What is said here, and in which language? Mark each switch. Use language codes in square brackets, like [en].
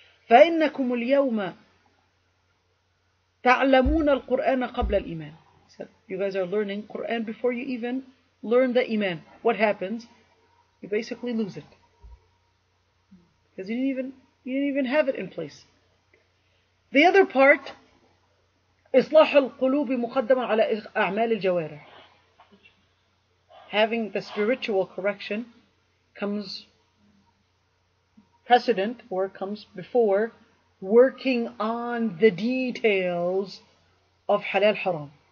[ar] فَإِنَّكُمُ الْيَوْمَ تَعْلَمُونَ الْقُرْآنَ قَبْلَ الْإِيمَانِ. [en] So you guys are learning Qur'an before you even learn the iman. What happens? You basically lose it. Because you didn't even have it in place. The other part, [ar] إصلاح القلوب مقدم على أعمال الجوارح. [en] Having the spiritual correction comes precedent or comes before working on the details of halal haram.